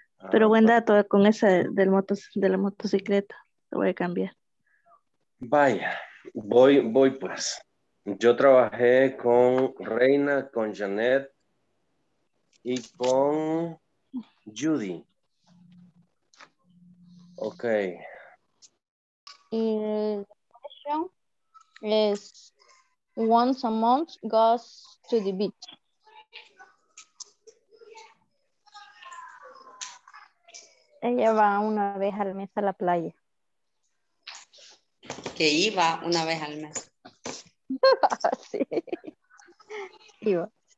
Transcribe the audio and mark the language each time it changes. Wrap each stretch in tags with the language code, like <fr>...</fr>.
<es>Pero buen dato con esa de la motocicleta. Lo voy a cambiar. Vaya, voy pues. Yo trabajé con Reina, con Janet y con Judy. Ok.</es> <en>Y question is, once a month goes to the beach.</en> <es>Ella va una vez al mes a la playa. Que iba una vez al mes. Sí. Iba.</es>